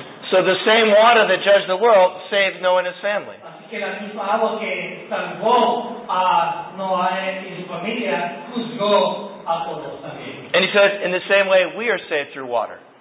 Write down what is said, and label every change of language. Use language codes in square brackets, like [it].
[en] So the same water that judged the world saved Noah and his family. [es] Así que la misma agua que salvó a Noah y su familia juzgó [en] And he says, in the same way, we are saved through water.